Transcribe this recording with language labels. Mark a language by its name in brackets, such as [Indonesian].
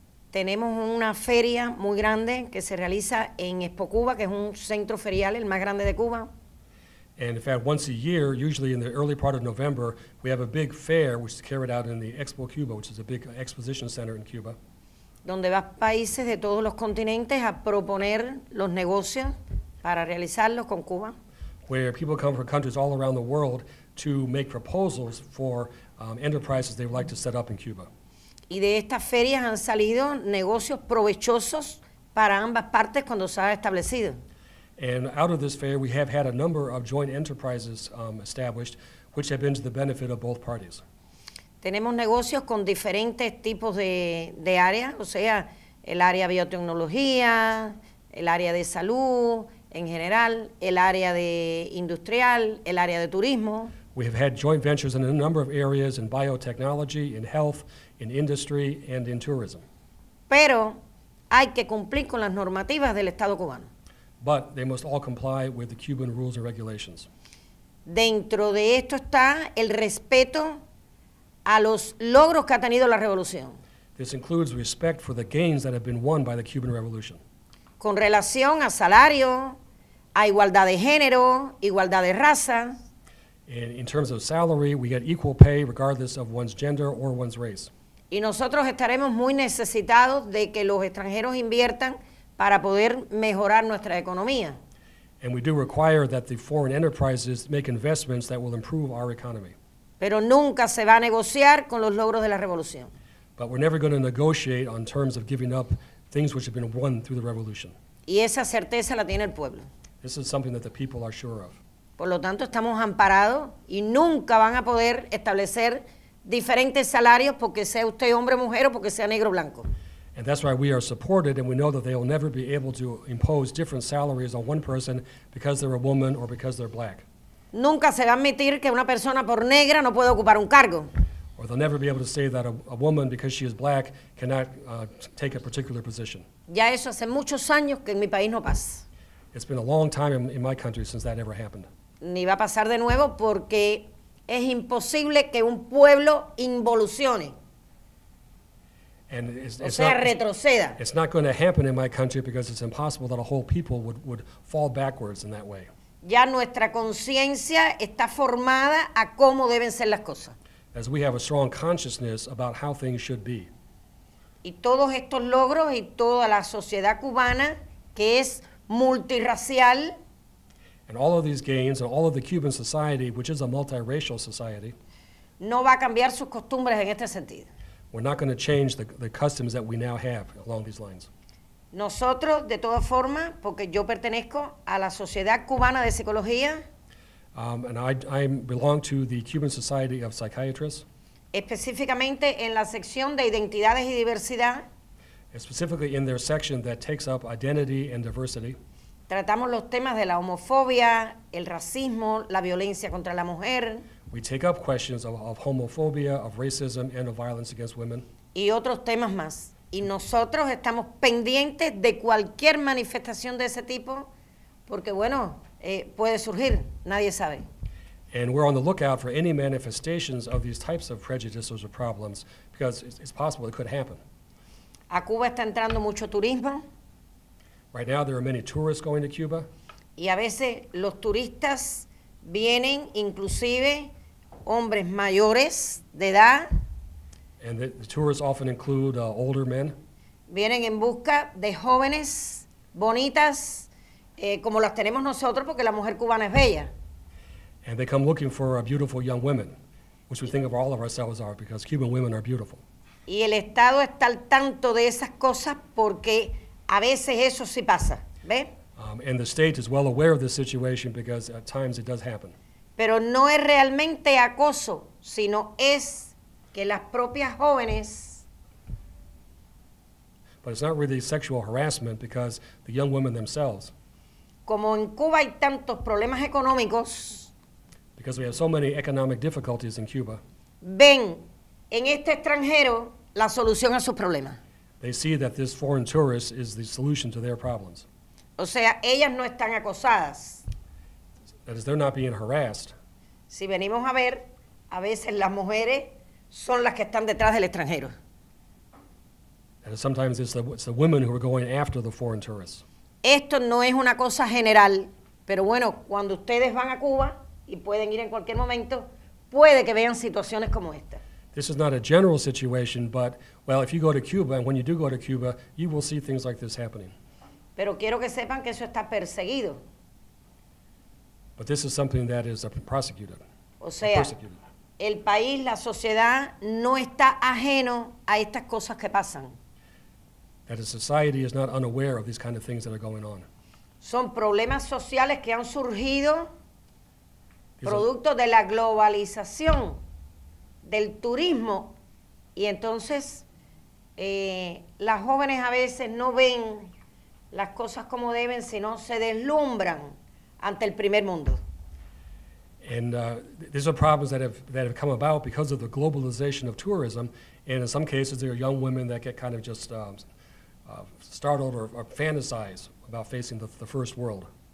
[Spanish] Tenemos una feria muy grande que se realiza en Expo Cuba, que es un centro ferial, el más grande de Cuba. [English] And in fact, once a year, usually in the early part of November, we have a big fair, which is carried out in the Expo Cuba, which is a big exposition center in Cuba. [Spanish] Donde van países de todos los continentes a proponer los negocios para realizarlos con Cuba. [English] Where people come from countries all around the world to make proposals for enterprises they would like to set up in Cuba. [Spanish] Y de estas ferias han salido negocios provechosos para ambas partes cuando se ha establecido. [English] And out of this fair, we have had a number of joint enterprises established, which have been to the benefit of both parties. [Spanish] Tenemos negocios con diferentes tipos de áreas, o sea, el área biotecnología, el área de salud en general, el área de industrial, el área de turismo. [English] We have had joint ventures in a number of areas, in biotechnology, in health, in industry, and in tourism. [Spanish] Pero hay que cumplir con las normativas del Estado cubano. [English] But they must all comply with the Cuban rules and regulations. [Spanish] Dentro de esto está el respeto a los logros que ha tenido la revolución. [English] This includes respect for the gains that have been won by the Cuban Revolution. [Spanish] Con relación a salario, a igualdad de género, igualdad de raza. [English] In terms of salary, we get equal pay regardless of one's gender or one's race. [Spanish] Y nosotros estaremos muy necesitados de que los extranjeros inviertan para poder mejorar nuestra economía. [English] And we do require that the foreign enterprises make investments that will improve our economy. [Spanish] Pero nunca se va a negociar con los logros de la revolución. [English] But we're never going to negotiate on terms of giving up things which have been won through the revolution. [Spanish] Y esa certeza la tiene el pueblo. [English] This is something that the people are sure of. [Spanish] Por lo tanto, estamos amparados y nunca van a poder establecer diferentes salarios porque sea usted hombre, mujer o porque sea negro o blanco. [English] And that's why we are supported, and we know that they will never be able to impose different salaries on one person because they're a woman or because they're black. [Spanish] Nunca se va a admitir que una persona por negra no puede ocupar un cargo. [English] Or they'll never be able to say that a woman, because she is black, cannot take a particular position. [Spanish] Ya eso hace muchos años que en mi país no pasa. [English] It's been a long time in my country since that ever happened. [Spanish] Ni va a pasar de nuevo porque es imposible que un pueblo involucione. [English] And [Spanish] retroceda. [English] It's not going to happen in my country because it's impossible that a whole people would fall backwards in that way. [Spanish] Ya nuestra conciencia está formada a cómo deben ser las cosas. [English] As we have a strong consciousness about how things should be. [Spanish] Y todos estos logros y toda la sociedad cubana que es multiracial. [English] And all of these gains and all of the Cuban society, which is a multiracial society. [Spanish] No va a cambiar sus costumbres en este sentido. [English] We're not going to change the customs that we now have along these lines. [Spanish] Nosotros, de toda forma, porque yo pertenezco a la Sociedad Cubana de Psicología. [English] And I belong to the Cuban Society of Psychiatrists. [Spanish] Específicamente en la sección de identidades y diversidad. [English] Specifically in their section that takes up identity and diversity. [Spanish] Tratamos los temas de la homofobia, el racismo, la violencia contra la mujer. [English] We take up questions of homophobia, of racism, and of violence against women. [Spanish] Y otros temas más. Y nosotros estamos pendientes de cualquier manifestación de ese tipo, porque bueno, puede surgir, nadie sabe. [English] And we're on the lookout for any manifestations of these types of prejudices or problems, because it's possible it could happen. [Spanish] A Cuba está entrando mucho turismo. [English] Right now there are many tourists going to Cuba. [Spanish] Y a veces los turistas vienen inclusive hombres mayores de edad. [English] And the tourists often include older men. [Spanish] Vienen en busca de jóvenes bonitas, como las tenemos nosotros, porque la mujer cubana es bella. [English] And they come looking for beautiful young women, which we think of all of ourselves are, because Cuban women are beautiful. [Spanish] Y el Estado está al tanto de esas cosas porque a veces eso sí pasa, ¿ve? [English] And the state is well aware of the situation because at times it does happen. [Spanish] Pero no es realmente acoso, sino es que las propias jóvenes. [English] But it's not really sexual harassment because the young women themselves. [Spanish] Como en Cuba hay tantos problemas económicos. [English] Because we have so many economic difficulties in Cuba. [Spanish] Ven en este extranjero la solución a sus problemas. [English] They see that this foreign tourist is the solution to their problems. [Spanish] O sea, ellas no están acosadas. [English] That is, they're not being harassed. [Spanish] Si venimos a ver, a veces las mujeres son las que están detrás del extranjero. [English] And sometimes it's the women who are going after the foreign tourists. [Spanish] Esto no es una cosa general, pero bueno, cuando ustedes van a Cuba y pueden ir en cualquier momento, puede que vean situaciones como esta. [English] This is not a general situation, but well, if you go to Cuba, and when you do go to Cuba, you will see things like this happening. [Spanish] Pero quiero que sepan que eso está perseguido. [English] But this is something that is prosecuted. [Spanish] O sea, el país, la sociedad, no está ajeno a estas cosas que pasan. [English] That a society is not unaware of these kind of things that are going on. [Spanish] Son problemas sociales que han surgido producto de la globalización, del turismo, y entonces las jóvenes a veces no ven las cosas como deben, sino se deslumbran ante el primer mundo. [English] And these are problems that have come about because of the globalization of tourism, and in some cases there are young women that get kind of just startled or fantasize about facing the first world.